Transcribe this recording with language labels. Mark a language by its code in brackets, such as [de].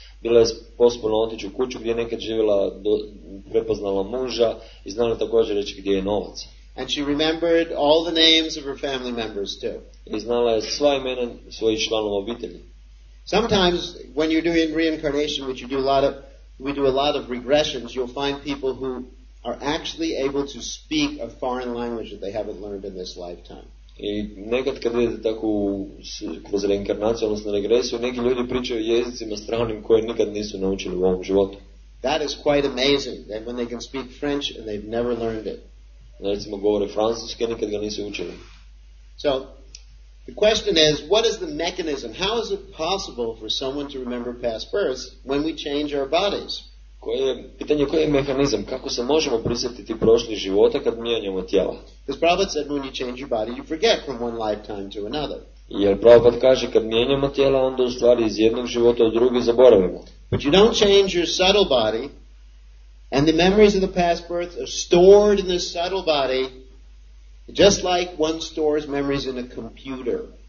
[hr] bila je pospolno otići u kuću gdje je nekad živjela, prepoznala muža i znala također reći gdje je novac. [en] And she remembered all the names of her family members too. [hr] I znala je sva imena svojih članova obitelji. [en] Sometimes when you're doing reincarnation, which you do a lot of, we do a lot of regressions, you'll find people who are actually able to speak a foreign language that they haven't learned in this lifetime. [hr] I nekad kad idete tako kroz reinkarnaciju, odnosno regresiju, neki ljudi pričaju jezicima stranim koje nikad nisu naučili u ovom životu. [en] That is quite amazing that when they can speak French and they've never learned it. [hr] Recimo govore francuski, nikad ga nisu učili. [en] So the question is, what is the mechanism? How is it possible for someone to remember past births when we change our bodies? [hr] Koji je mehanizam? Kako se možemo prisjetiti prošlih života kad mijenjamo tijela? [en] Because Prabhupada said when you change your body, you forget from one lifetime to another. [hr] Jer Prabhupada kaže kad mijenjamo tijela, onda u stvari iz jednog života u drugi zaboravimo. [en] But you don't change your subtle body, and the memories of the past births are stored in the subtle body, just like one stores memories in a computer.